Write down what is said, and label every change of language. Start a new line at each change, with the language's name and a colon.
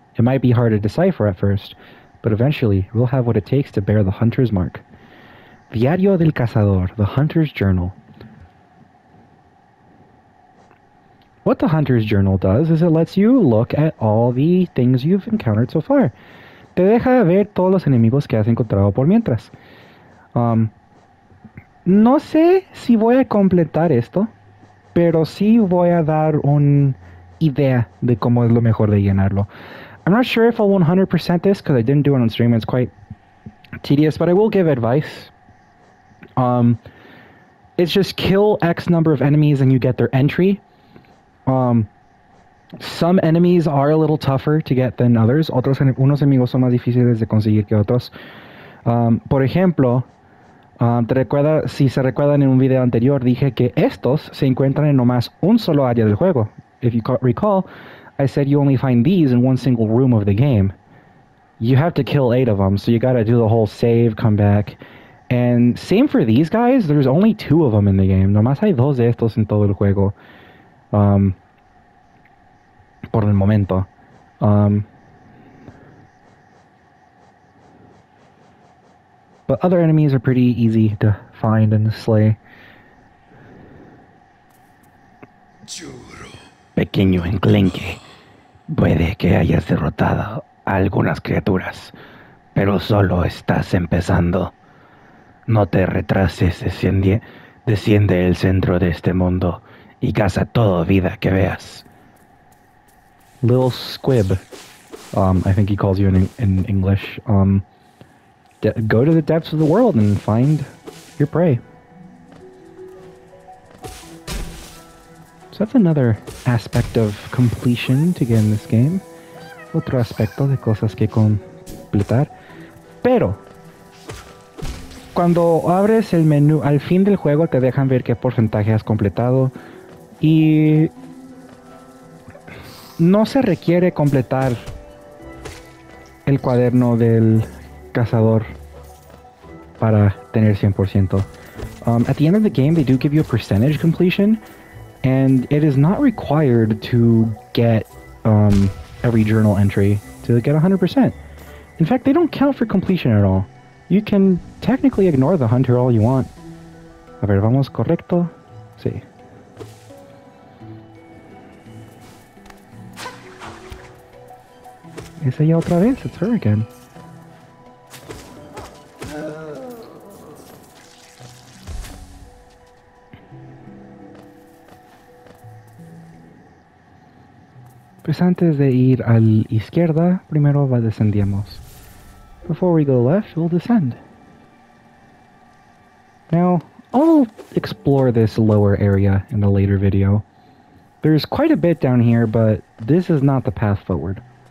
English: It might be hard to decipher at first, but eventually we'll have what it takes to bear the hunter's mark. Diario del Cazador, the hunter's journal. What the hunter's journal does is it lets you look at all the things you've encountered so far.
Spanish: Te deja ver todos los enemigos que has encontrado por mientras. No sé si voy a completar esto, pero sí voy a dar un idea de cómo es lo mejor de llenarlo.
English: I'm not sure if I'll 100% this because I didn't do it on stream. It's quite tedious, but I will give advice. It's just kill X number of enemies and you get their entry. Some enemies are a little tougher to get than others.
Spanish: Otros, unos enemigos son más difíciles de conseguir que otros. Por ejemplo, si se recuerdan en un video anterior, dije que estos se encuentran en nomás un solo área del juego.
English: If you recall, I said you only find these in one single room of the game. You have to kill 8 of them, so you gotta do the whole save, come back. And same for these guys, there's only 2 of them in the game.
Spanish: Nomás hay 2 de estos en todo el juego. Por el momento.
English: But other enemies are pretty easy to find and slay.
Spanish: Juro. Pequeño enclenque. Puede que hayas derrotado a algunas criaturas, pero solo estás empezando. No te retrases, desciende el centro de este mundo y caza toda vida que veas.
English: Little squib, I think he calls you in English, go to the depths of the world and find your prey. So that's another aspect of completion to get in this game.
Spanish: Otro aspecto de cosas que completar. Pero, cuando abres el menú, al fin del juego te dejan ver qué porcentaje has completado. Y no se requiere completar el cuaderno del cazador para tener 100%.
English: At the end of the game, they do give you a percentage completion. And it is not required to get every journal entry to get 100%. In fact, they don't count for completion at all. You can technically ignore the hunter all you want.
Spanish: A ver, vamos correcto. Sí. Es ella otra vez.
English: It's her again.
Spanish: Pues antes de ir a la izquierda, primero descendemos.
English: Before we go left, we'll descend. Now, I'll explore this lower area in a later video. There's quite a bit down here, but this is not the path forward.